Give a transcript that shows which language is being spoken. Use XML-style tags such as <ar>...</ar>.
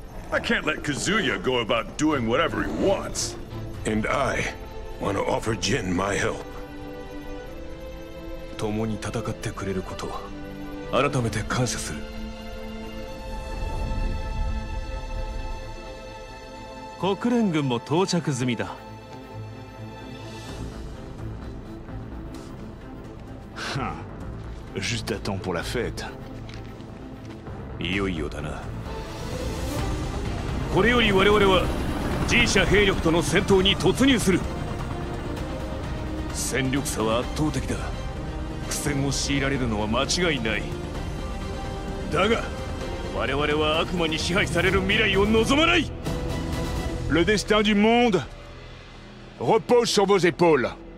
<en>I can't let Kazuya go about doing whatever he wants. And I want to offer Jin my help.</en> <ja>共に戦ってくれることを改めて感謝する。国連軍も到着済みだ。</ja> <fr>Juste à temps pour la fête.</fr> <ja>いよいよだな。これより我々は G 社兵力との戦闘に突入する。戦力差は圧倒的だ。苦戦を強いられるのは間違いない。だが我々は悪魔に支配される未来を望まない。</ja> <fr>Le destin du monde repose sur vos épaules。</fr>